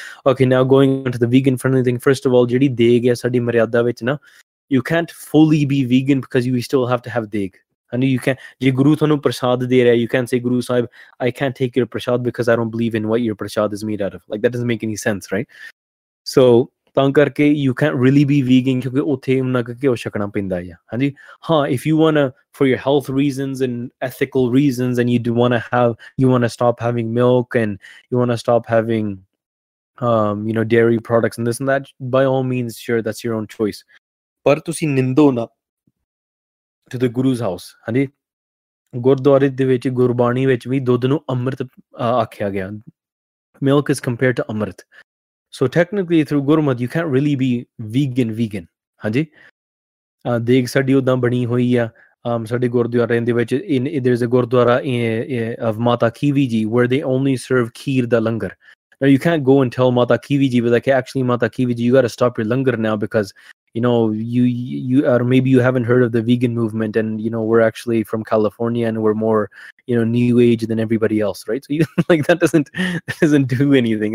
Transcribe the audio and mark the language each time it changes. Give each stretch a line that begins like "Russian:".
English: Okay, now going on to the vegan friendly thing. First of all,
Punjabi: jehdi deg hai sadi maryada vich na,
English: you can't fully be vegan because you still have to have deg. And you can't,
Punjabi: je guru thonu prasad de raha,
English: you can't say guru sahib I can't take your prasad because I don't believe in what your prasad is made out of. Like, that doesn't make any sense, right? So
Punjabi: ਤਾਂ ਕਰਕੇ
English: you can't really be vegan
Punjabi: ਕਿਉਂਕਿ ਉੱਥੇ ਉਹਨਾਂ ਕਰਕੇ ਉਹ ਛਕਣਾ ਪੈਂਦਾ ਆ
English: ਹਾਂਜੀ ਹਾਂ if you want for your health reasons and ethical reasons and you do want to have you want to stop having milk and you want to stop having you know dairy products and this and that by all means sure that's your own choice
Punjabi: ਪਰ ਤੁਸੀਂ ਨਿੰਦੋ ਨਾ
English: to the guru's house ਹਾਂਜੀ
Punjabi: ਗੁਰਦੁਆਰੇ ਦੇ ਵਿੱਚ ਗੁਰਬਾਣੀ ਵਿੱਚ ਵੀ ਦੁੱਧ ਨੂੰ ਅੰਮ੍ਰਿਤ ਆਖਿਆ ਗਿਆ
English: Milk is compared to amrit. So technically through Gurmat, you can't really be vegan. Haji?
Punjabi: Deg sadi udan bani hoi ya. Sadi gurdwara in the vich,
English: there's a gurdwara of Mata Kiwi ji where they only serve kheer da langar. Now you can't go and tell Mata Kiwi ji, but like, actually Mata Kiwi ji, you got to stop your langar now because, you know, you or maybe you haven't heard of the vegan movement and, you know, we're actually from California and we're more, you know, new age than everybody else, right? So you like that doesn't do anything.